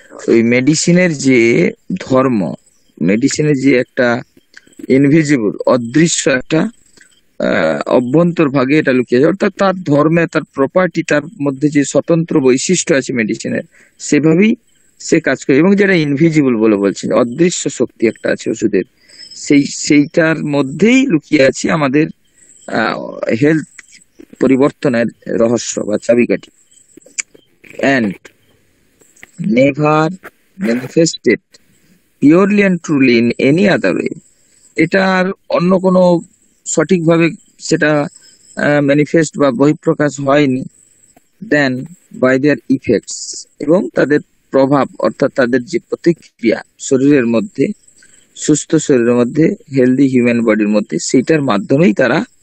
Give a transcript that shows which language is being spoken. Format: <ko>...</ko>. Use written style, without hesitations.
<bn>ওই মেডিসিনের যে ধর্ম, মেডিসিনের যে একটা ইনভিজিবল অদৃশ্য একটা অভ্যন্তর ভাগে এটা লুকিয়ে যায়, অর্থাৎ তার ধর্মে তার প্রপার্টি, তার মধ্যে যে স্বতন্ত্র বৈশিষ্ট্য আছে মেডিসিনের, সেভাবেই সে কাজ করে। এবং যেটা ইনভিজিবল বলে বলছেন, অদৃশ্য শক্তি একটা আছে ওষুধের, সেই সেইটার মধ্যেই লুকিয়ে আছে আমাদের হেলথ পরিবর্তনের রহস্য বা চাবিকাঠি।</bn> <en>and never manifested purely and truly in any other way.</en> <bn>এটার অন্য কোনো সঠিকভাবে সেটা ম্যানিফেস্ট বা বহিঃপ্রকাশ হয়নি</bn> <en>then by their effects</en> <bn>এবং তাদের প্রভাব অর্থাৎ তাদের যে প্রতিক্রিয়া শরীরের মধ্যে সুস্থ শরীরের মধ্যে হেলদি হিউম্যান বডির মধ্যে সেটার মাধ্যমেই তারা</bn>